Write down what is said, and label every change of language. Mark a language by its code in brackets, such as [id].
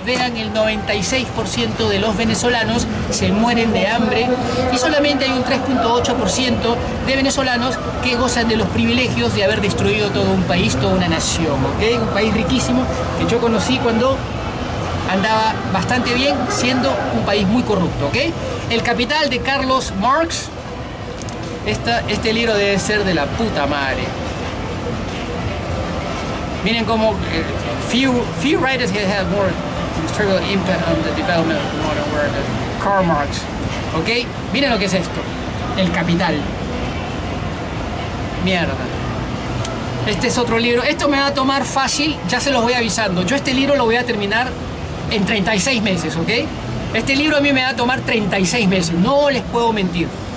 [es] Vean, el 96% de los venezolanos se mueren de hambre y solamente hay un 3.8% de venezolanos que gozan de los privilegios de haber destruido todo un país, toda una nación, ¿ok? Un país riquísimo que yo conocí cuando andaba bastante bien, siendo un país muy corrupto, ¿ok? El Capital de Carlos Marx. Este libro debe ser de la puta madre. Miren cómo [en] few writers have had more historical impact on the development of the modern world. [es] Karl Marx, ¿ok? Miren lo que es esto, El Capital. Mierda. Este es otro libro. Esto me va a tomar fácil, ya se los voy avisando. Yo este libro lo voy a terminar en 36 meses, ¿ok? Este libro a mí me va a tomar 36 meses. No les puedo mentir.